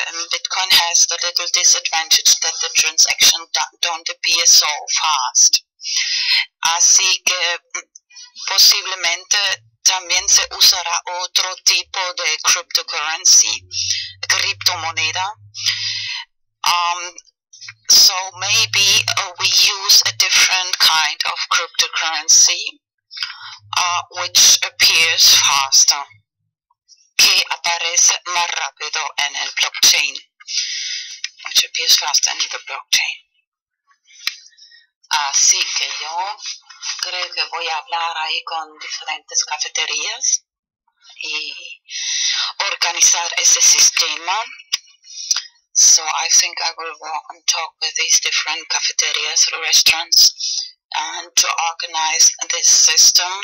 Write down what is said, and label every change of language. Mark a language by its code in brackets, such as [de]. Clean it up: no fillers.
[en] Bitcoin has the little disadvantage that the transaction don't appear so fast. [es] Así que posiblemente también se usará otro tipo de cryptocurrency, criptomoneda. [en] So maybe we use a different kind of cryptocurrency, which appears faster, [es] que aparece más rápido en el blockchain, [en] which appears faster in the blockchain. [es] Así que yo creo que voy a hablar ahí con diferentes cafeterías y organizar ese sistema. [en] So I think I will go and talk with these different cafeterias, restaurants, and to organize this system.